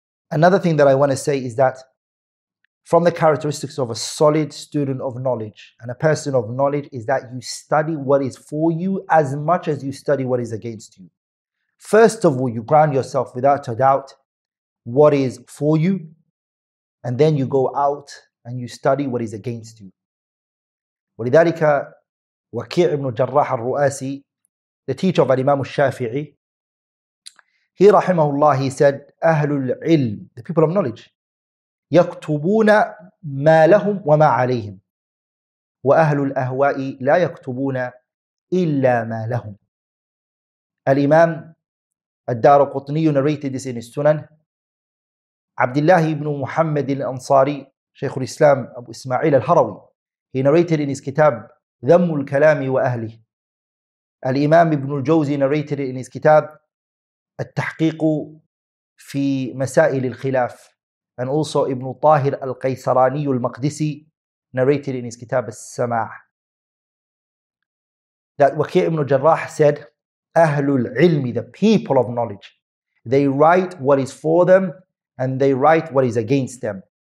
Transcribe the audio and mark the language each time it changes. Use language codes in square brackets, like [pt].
[en] Another thing that I want to say is that from the characteristics of a solid student of knowledge and a person of knowledge is that you study what is for you as much as you study what is against you. First of all, you ground yourself without a doubt what is for you, and then you go out and you study what is against you. [ar] ولذلك وكيع بن جراح الرؤاسي, [en] the teacher of Imam al-Shafi'i, he [ar] رحمه الله, [en] he said, [ar] أهل العلم, [en] the people of knowledge, [ar] يكتبون ما لهم وما عليهم وأهل الأهواء لا يكتبون إلا ما لهم. [en] الإمام الدارقطني narrated this in his Sunan. Abdullah ibn Muhammad al-Ansari, Shaykh al-Islam Abu Ismail al-Harawi, he narrated in his kitab ذم الكلام وأهله. الإمام ابن الجوزي narrated in his kitab التحقيق في مسائل الخلاف. And also Ibn Tahir al-Qaysarani al-Maqdisi narrated in his kitab al-Sama' that Waqi' ibn Jarrah said, Ahlul Ilmi, the people of knowledge, they write what is for them and they write what is against them.